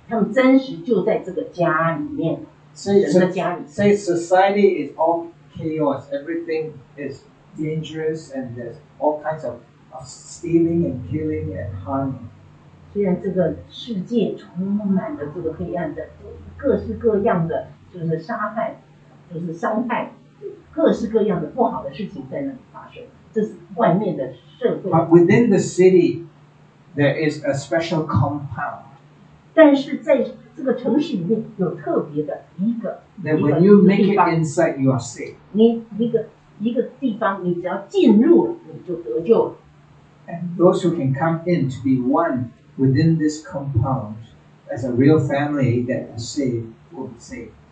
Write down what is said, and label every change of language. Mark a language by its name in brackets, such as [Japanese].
[Chinese] 他们真实就在这个家里面，神的家里。So [English] society is all chaos. Everything is dangerous, and there's all kinds of stealing and killing and harming. [Chinese] 虽然这个世界充满了这个黑暗的，各式各样的就是杀害，就是伤害，各式各样的不好的事情在那里发生，这是外面的社会。But [English] within the city, there is a special compound. [Chinese] 但是在这个城市里面有特别的一个。That [English] when you make it inside, you are safe. [Chinese] 你一个地方，你只要进入了，你就得救了。And [English] those who can come in to be one. Within this compound, as a real family that is saved, will be saved.